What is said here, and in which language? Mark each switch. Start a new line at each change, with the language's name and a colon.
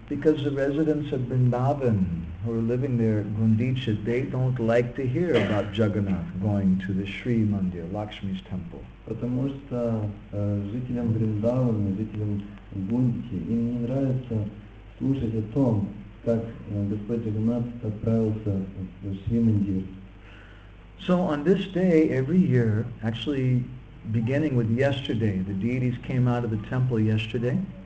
English: Because the residents of Vrindavan, who are living there, Gundicha, they don't like to hear about Jagannath going to the Shri Mandir, Lakshmi's temple.
Russian: Потому что жителям Вриндавана, жителям Гундичи, им не нравится слушать о том, как Господь Джаганнат отправился в Шри Мандир.
English: So on this day, every year, actually beginning with yesterday, the deities came out of the temple yesterday.